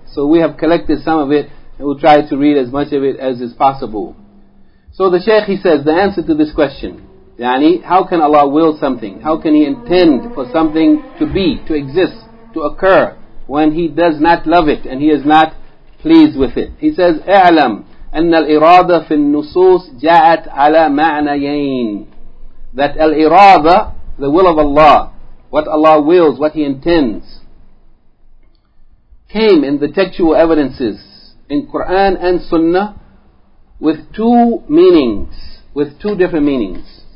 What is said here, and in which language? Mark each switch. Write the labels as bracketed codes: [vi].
[en] So we have collected some of it, and we'll try to read as much of it as is possible. So the Shaykh, he says, the answer to this question, yani, how can Allah will something? How can He intend for something to be, to exist, to occur, when He does not love it and He is not pleased with it? He says, [ar] اعلم أن الإرادة في النصوص جاءت على معنيين. [en] That al-irada, the will of Allah, what Allah wills, what He intends, came in the textual evidences in Quran and Sunnah with two meanings, with two different meanings.